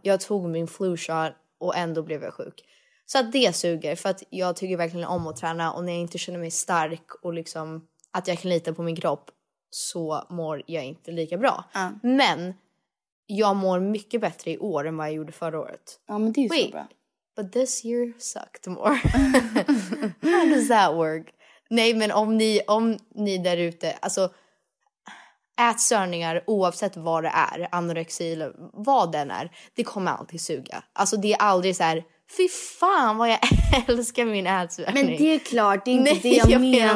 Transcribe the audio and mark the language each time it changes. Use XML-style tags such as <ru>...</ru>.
<sv>Jag tog min flu shot och ändå blev jag sjuk. Så att det suger, för att jag tycker verkligen om att träna. Och när jag inte känner mig stark och liksom att jag kan lita på min kropp, så mår jag inte lika bra. Men jag mår mycket bättre i år än vad jag gjorde förra året. Ja, men det är så</sv> <en>wait,</en> <sv>bra.</sv> <en>But this year sucked more. How does that work?</en> <sv>Nej, men om ni där ute, alltså ätstörningar, oavsett vad det är, anorexi eller vad den är, det kommer alltid suga. Alltså det är aldrig så här, fy fan vad jag älskar min ätstörning. Men det är klart, det är inte jag menar,</sv>